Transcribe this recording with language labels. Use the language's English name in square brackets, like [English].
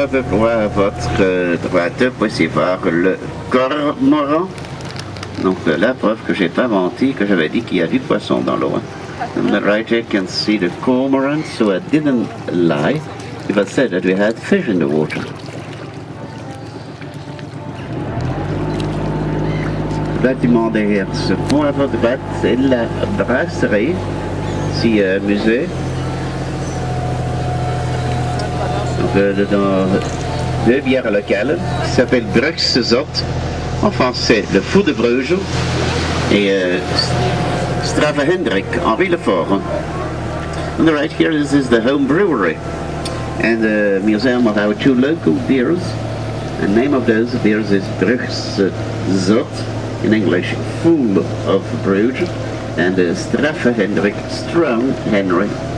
[French] Pour votre droite, vous pouvez voir le cormoran. Donc la preuve que j'ai pas menti, que j'avais dit qu'il y a du poisson dans l'eau. [English] On the right you can see the cormoran, so I didn't lie if I said that we had fish in the water. [French] Le bâtiment derrière ce pont à votre droite, c'est la brasserie, si musée. Deux bières locales qui s'appelle Bruxzot, en français le Fou de Bruges, et Strava Hendrik, Henri Lefort. [English] On the right here, this is the home brewery and the museum of our two local beers. The name of those beers is Bruxzot, in English, Fool of Bruges, and Strava Hendrik, Strong Henry.